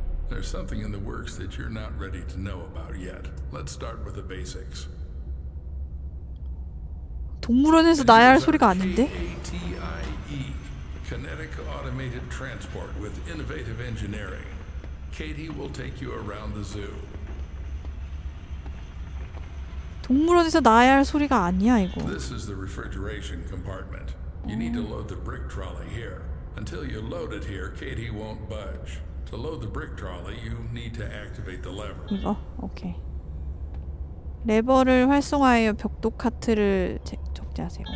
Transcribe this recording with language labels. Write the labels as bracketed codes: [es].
[en] There's something in the works that you're not ready to know about yet. Let's start with the basics. [ko] 동물원에서 나야 할 소리가 아닌데? [en] KATIE, Kinetic Automated Transport with Innovative Engineering. Katie will take you around the zoo. [ko] 동물원에서 나야 할 소리가 아니야 이거. [en] This is the refrigeration compartment. You need to load the brick trolley here. Until you load it here, Katie won't budge. To load the brick trolley, you need to activate the lever. [ko] 이거? 오케이. 레버를 활성화하여 벽돌 카트를 적재하세요.